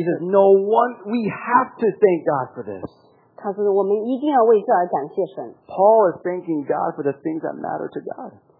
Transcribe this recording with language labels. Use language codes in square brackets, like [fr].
[en] He says, no one, we have to thank God for this. [zh] 他说我们一定要为这而感谢神。 [en] Paul is thanking God for the things that matter to God.